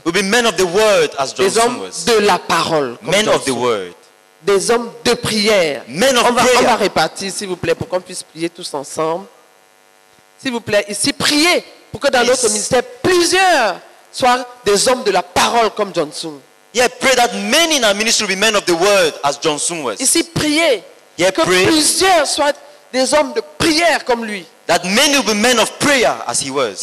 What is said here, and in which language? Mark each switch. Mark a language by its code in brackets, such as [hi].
[en] Will be men of the word as Johnson was. [fr] Des hommes de la parole comme [en] men Johnson. Of the word. [fr] Des hommes de prière. [en] Men of [fr] on va, [en] prayer. [fr] On va répartir, s'il vous plaît, pour qu'on puisse prier tous ensemble. S'il vous plaît, ici, priez pour que dans notre ministère, plusieurs soient des hommes de la parole comme Johnson. [en] Yeah, pray that many in our ministry will be men of the word as John Soon was. [fr] Ici, priez. [en] Yeah, [fr] que [en] pray. [fr] Plusieurs soient des hommes de prière comme lui. [en] That many will be men of prayer as he was.